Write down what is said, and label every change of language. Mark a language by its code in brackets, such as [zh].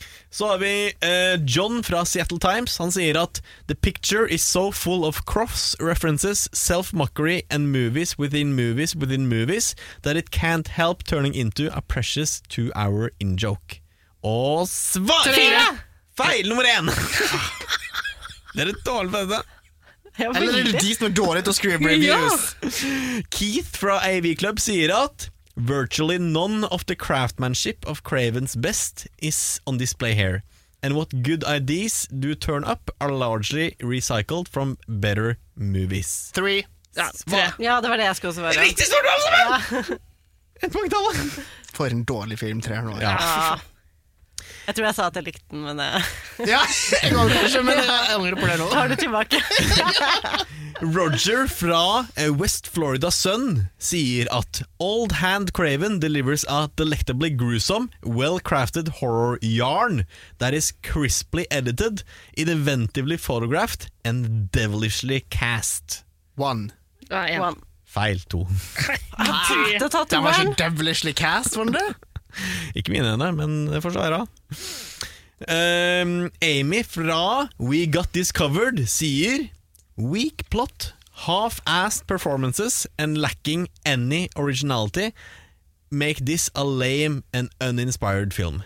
[no] Så har vi John fra Seattle Times. Han sier at [en] the picture is so full of cross references, self-mockery and movies within movies within movies that it can't help turning into a precious 2-hour in-joke. [no] Og svar 4. Feil nummer 1. Det er et dårlig feil, det. Eller det er de som er dårlige til å skrive reviews. Keith fra AV Club sier at [en] virtually none of the craftsmanship of Craven's best is on display here. And what good ideas do turn up are largely recycled from better movies. [no] 3. Ja, det var det jeg skulle også være. Riktig stort av som en! Et punkt alle. For en dårlig film, 3 nå. Ja. Jeg tror jeg sa at jeg likte den, men ja, jeg var kanskje, men jeg angrer på det nå. Tar du tilbake. Roger fra West Florida Sun sier at [en] Old Hand Craven delivers a delectably gruesome, well-crafted horror yarn that is crisply edited, inventively photographed, and devilishly cast. [no] 1. Ja, 1. Feil, 2. Jeg tenkte å ta tilbake. Den var så [en] devilishly cast, [no] var det? Ikke mine henne, men det får så være. Amy fra We Got This Covered sier [en] weak plot, half-assed performances and lacking any originality make this a lame and uninspired film.